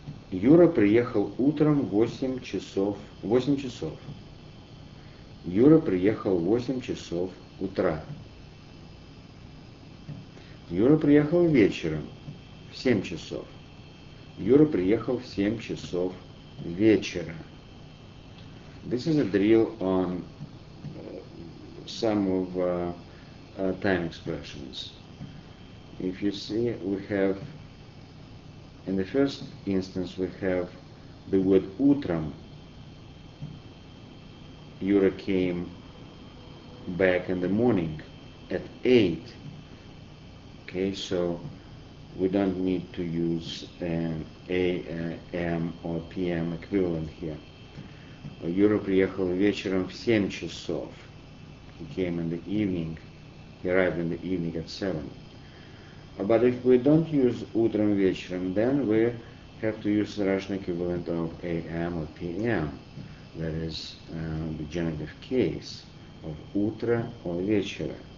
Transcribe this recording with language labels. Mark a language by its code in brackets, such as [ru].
[ru] Юра приехал утром 8 часов. 8 часов. Юра приехал 8 часов утра. Юра приехал вечером в 7 часов. Юра приехал в 7 часов вечера. [en] This is a drill on some of time expressions. If you see, we have, in the first instance, we have the word utram. Yura came back in the morning at 8. Okay, so we don't need to use an AM or PM equivalent here. [ru] Yura приехал вечером в 7 часов. [en] He came in the evening. He arrived in the evening at 7. But if we don't use [ru] утром вечером, [en] then we have to use the Russian equivalent of AM or PM. That is the genitive case of утро or вечера.